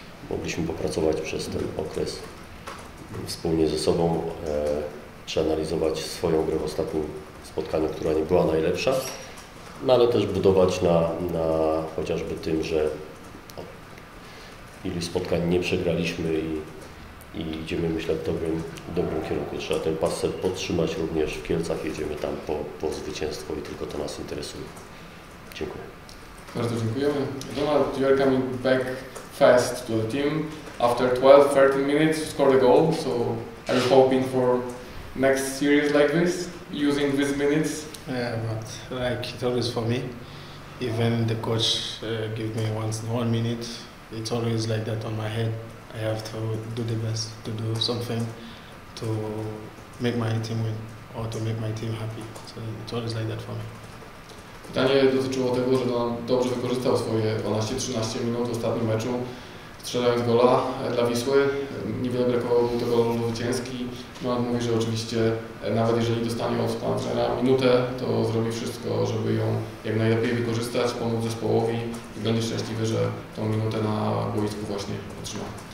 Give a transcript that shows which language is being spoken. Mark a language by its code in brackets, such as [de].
[pl] Mogliśmy popracować przez ten okres wspólnie ze sobą, przeanalizować swoją grę w ostatnim spotkaniu, która nie była najlepsza, no ale też budować na chociażby tym, że ilu spotkań nie przegraliśmy i idziemy, myślę, w dobrym kierunku. Trzeba ten paset podtrzymać również w Kielcach. Jedziemy tam po zwycięstwo i tylko to nas interesuje. Dziękuję. Bardzo dziękujemy. [en] Donald, you are coming back fast to the team. After 12-13 minutes, you scored a goal. So, are you hoping for next series like this, using these minutes? Yeah, but like it always for me, even the coach give me once in 1 minute, it's always like that on my head. I have to do the best, to do something to make my team win or to make my team happy. So it's always like that for me. [pl] Pytanie dotyczyło tego, że on dobrze wykorzystał swoje 12-13 minut w ostatnim meczu, strzelając gola dla Wisły. Niewiele brakowało, był to gol zwycięski. No, on mówi, że oczywiście nawet jeżeli dostanie od pana trenera minutę, to zrobi wszystko, żeby ją jak najlepiej wykorzystać, pomóc zespołowi i będzie szczęśliwy, że tą minutę na boisku właśnie otrzyma.